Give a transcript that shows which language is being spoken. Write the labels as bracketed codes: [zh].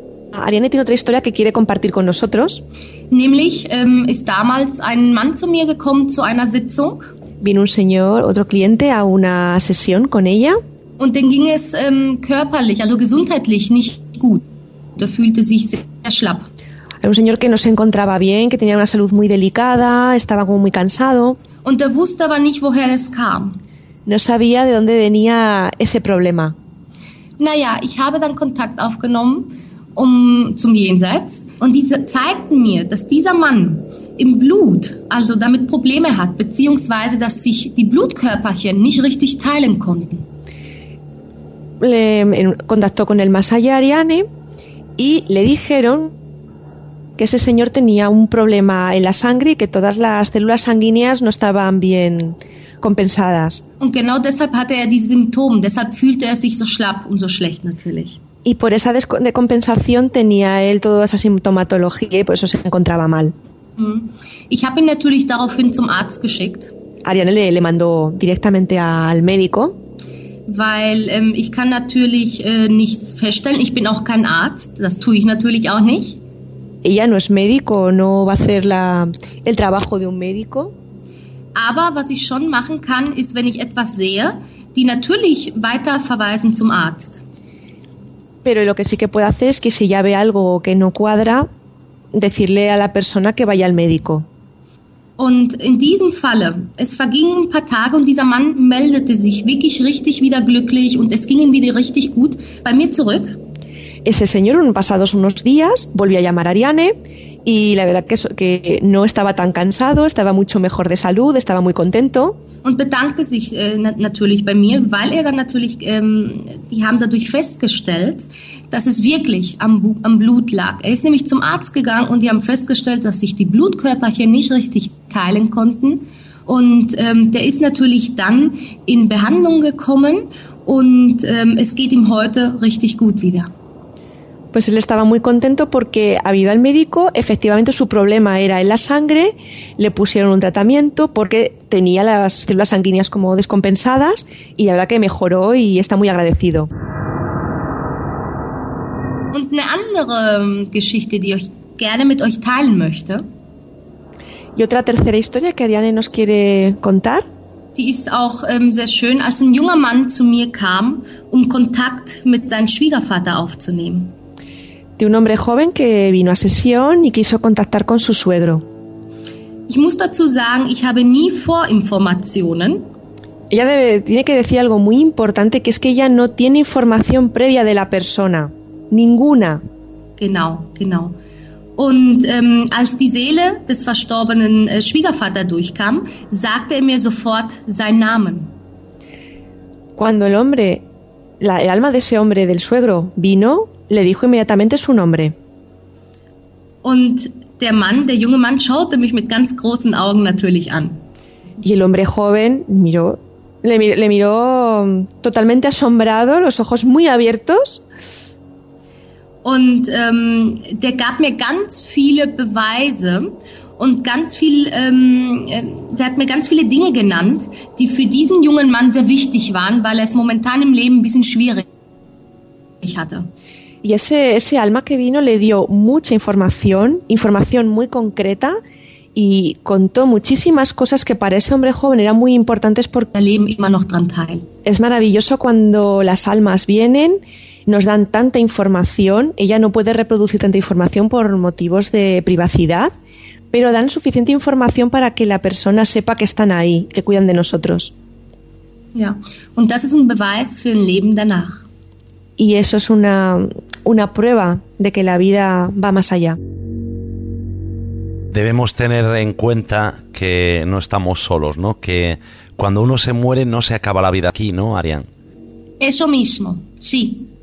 [es] Ariane tiene otra historia que quiere compartir con nosotros. [de] Nämlich ist damals ein Mann zu mir gekommen zu einer Sitzung. [es] Vino un señor, otro cliente, a una sesión con ella. [de] Und dann ging es körperlich, also gesundheitlich nicht gut. Er fühlte sich sehr schlapp. [es] Era un señor que no se encontraba bien, que tenía una salud muy delicada, estaba como muy cansado. [de] Und er wusste aber nicht, woher es kam. [es] No sabía de dónde venía ese problema. [de] Naja, ich habe dann Kontakt aufgenommen zum Jenseits. Und diese zeigten mir, dass dieser Mann im Blut also damit Probleme hat, beziehungsweise dass sich die Blutkörperchen nicht richtig teilen konnten. [es] Le contactó con el más allá, Ariane, y le dijeron que ese señor tenía un problema en la sangre y que todas las células sanguíneas no estaban bien compensadas. [de] Und genau deshalb hatte er diese Symptome, deshalb fühlte er sich so schlapp und so schlecht natürlich. [es] Y por esa descompensación tenía él toda esa sintomatología y por eso se encontraba mal. [de] Ich habe ihn natürlich daraufhin zum Arzt geschickt. [es] Ariane le mandó directamente al médico. [de] Weil ich kann natürlich nichts feststellen. Ich bin auch kein Arzt. Das tue ich natürlich auch nicht. [es] Ella no es médico, no va a hacer el trabajo de un médico. [de] Aber was ich schon machen kann, ist, wenn ich etwas sehe, die natürlich weiter verweisen zum Arzt. [es] Pero lo que sí que puede hacer es que si ya ve algo que no cuadra, decirle a la persona que vaya al médico. [de] Und in diesem Falle, es vergingen ein paar Tage und dieser Mann meldete sich wirklich richtig wieder glücklich und es ging ihm wieder richtig gut bei mir zurück. [es] Ese señor, pasados unos días, volvió a llamar a Ariane y la verdad que no estaba tan cansado, estaba mucho mejor de salud, estaba muy contento. [de] Und bedankte sich natürlich bei mir, weil er dann natürlich, die haben dadurch festgestellt, dass es wirklich am Blut lag. Er ist nämlich zum Arzt gegangen und die haben festgestellt, dass sich die Blutkörperchen nicht richtig teilen konnten. Und der ist natürlich dann in Behandlung gekommen und es geht ihm heute richtig gut wieder. [es] Pues él estaba muy contento porque ha ido al médico, efectivamente su problema era en la sangre, le pusieron un tratamiento porque tenía las células sanguíneas como descompensadas y la verdad que mejoró y está muy agradecido. [de] Und eine andere Geschichte, die ich gerne mit euch teilen möchte. [es] Y otra tercera historia que Ariane nos quiere contar. [de] Die ist auch sehr schön, als ein junger Mann zu mir kam, Kontakt mit seinem Schwiegervater aufzunehmen. [es] De un hombre joven que vino a sesión y quiso contactar con su suegro. [de] Ich muss dazu sagen, ich habe nie Vorinformationen. [es] Ella tiene que decir algo muy importante, que es que ella no tiene información previa de la persona. Ninguna. [de] Genau, genau. Und als die Seele des verstorbenen Schwiegervater durchkam, sagte mir sofort seinen Namen. [es] Cuando el alma de ese hombre, del suegro, vino, le dijo inmediatamente su nombre. [de] Und der Mann, der junge Mann, schaute mich mit ganz großen Augen natürlich an. [es] Y el hombre joven le miró totalmente asombrado, los ojos muy abiertos. [de] Und der gab mir ganz viele Beweise und ganz viel, der hat mir ganz viele Dinge genannt, die für diesen jungen Mann sehr wichtig waren, weil er es momentan im Leben ein bisschen schwierig hatte. [es] Y ese alma que vino le dio mucha información muy concreta y contó muchísimas cosas que para ese hombre joven eran muy importantes porque [de] el leben immer noch dran teil. [es] Es maravilloso cuando las almas vienen, nos dan tanta información, ella no puede reproducir tanta información por motivos de privacidad, pero dan suficiente información para que la persona sepa que están ahí, que cuidan de nosotros. [de] Ja, und das ist ein Beweis für ein Leben danach. [es] Y eso es una prueba de que la vida va más allá. Debemos tener en cuenta que no estamos solos, ¿no? Que cuando uno se muere no se acaba la vida aquí, ¿no, Ariane? Eso mismo, sí.